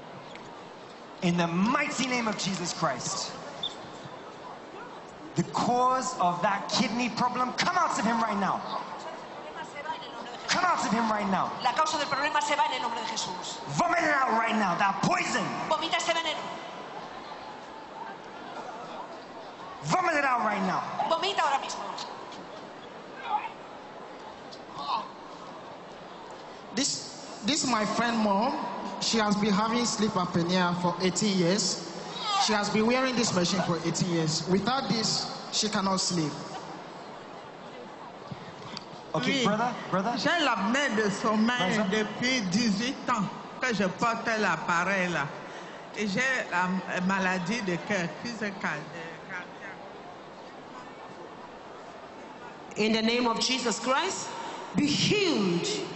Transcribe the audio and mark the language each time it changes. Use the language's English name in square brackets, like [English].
[English] Jesus, Jesus, set you free. In the mighty name of Jesus Christ, the cause of that kidney problem, come out of him right now. Come out of him right now. [Spanish] La causa del problema se va en el nombre de Jesús. [English] Vomit it out right now, that poison. [Spanish] Vomita ese veneno. [English] Vomit it out right now. [Spanish] Vomita ahora mismo. [English] This is my friend mom. She has been having sleep apnea for 18 years. She has been wearing this machine for 18 years. Without this, she cannot sleep. Okay, [French] oui. [English] Brother. [French] J'ai la main de sommeil depuis 18 ans que je porte l'appareil là. Et j'ai la maladie de cœur, crise cardiaque. [English] In the name of Jesus Christ, be healed.